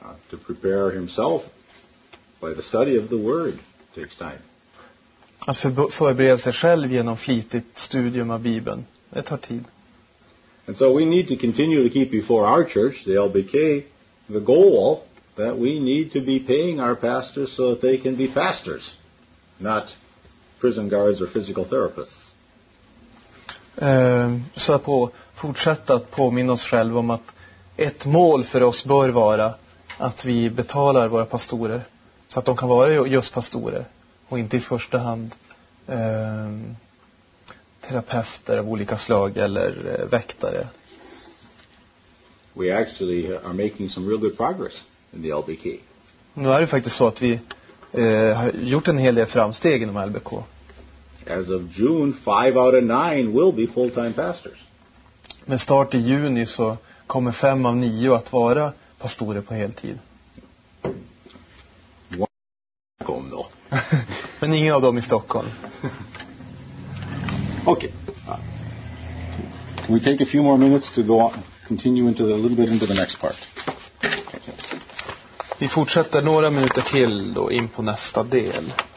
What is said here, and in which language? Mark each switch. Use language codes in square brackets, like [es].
[en] To prepare himself by the study of the word takes time. [sv] Att förbereda sig själv genom flitigt studium av Bibeln, det tar tid. [en] And so we need to continue to keep before our church, the LBK, the goal that we need to be paying our pastors so that they can be pastors, not prison guards or physical therapists. [sv] Så på fortsätta att påminna oss själv om att ett mål för oss bör vara att vi betalar våra pastorer så att de kan vara just pastorer och inte i första hand terapeuter av olika slag eller väktare. [en] We actually are making some real good progress in the LBK. [sv] Nu är det faktiskt så att vi har gjort en hel del framsteg inom LBK. [en] As of June, 5 out of 9 will be full-time pastors. [sv] Med start i juni så kommer 5 av 9 att vara pastorer på heltid. Kom då. Men ingen av dem i Stockholm. Okay. [en] Can we take a few more minutes to go on, continue into the, a little bit into the next part. [sv] Vi fortsätter några minuter till då in på nästa del.